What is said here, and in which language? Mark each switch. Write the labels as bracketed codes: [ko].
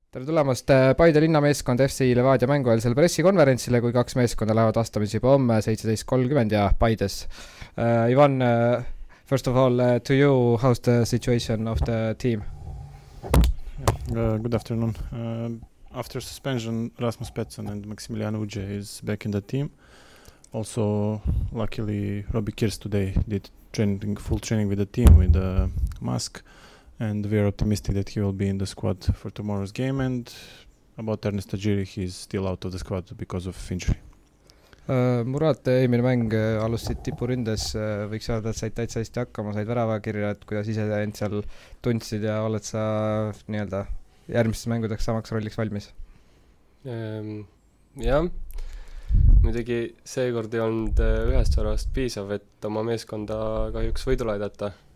[et] Tere tulemast Paide linnameeskond FCI Levadia mängueelsele pressikonverentsile, kui kaks meeskonda lähevad vastamisi juba homme 17.30 ja Paides. [en] Ivan, first of all, to you, how's the situation of the team? Good afternoon. After suspension, Rasmus Petson and Maximilian Uge is back in the team. Also, luckily, Robbie Kirs today did training, full training with the team with the mask. And we are optimistic that he will be in the squad for tomorrow's game. And about Ernest Tajiri, he is still out of the squad because of injury. [et] Murad, eelmine mäng alustasid tipuründes. Võiks öelda, et said täitsa hästi hakkama, said väravakirja, et kuidas ise end seal tundsid ja oled sa nii-öelda järgmises mängudeks samaks rolliks valmis? Jah, muidugi seekord ei olnud ühest väravast piisav, et oma meeskonda kahjuks võidule aidata.